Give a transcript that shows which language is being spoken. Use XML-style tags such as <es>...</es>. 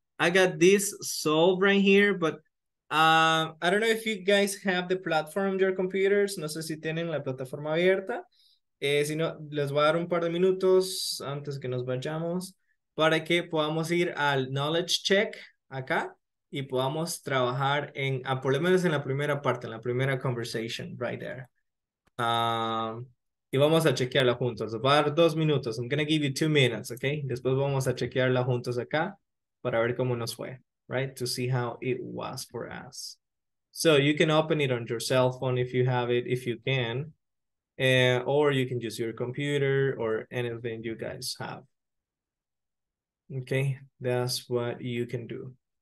<en>I got this solved right here, but I don't know if you guys have the platform on your computers.</en> <es>No sé si tienen la plataforma abierta. Si no, les voy a dar un par de minutos antes que nos vayamos para que podamos ir al knowledge check acá y podamos trabajar en, por lo menos en la primera parte, en la primera conversation</es> <en>right there.</en> <es>Y vamos a chequearla juntos. Va a dar 2 minutos.</es> <en>I'm going to give you 2 minutes, okay?</en> <es>Después vamos a chequearla juntos acá para ver cómo nos fue.</es> <en>Right, to see how it was for us. So you can open it on your cell phone if you have it, if you can, or you can use your computer or anything you guys have. Okay, that's what you can do.</en>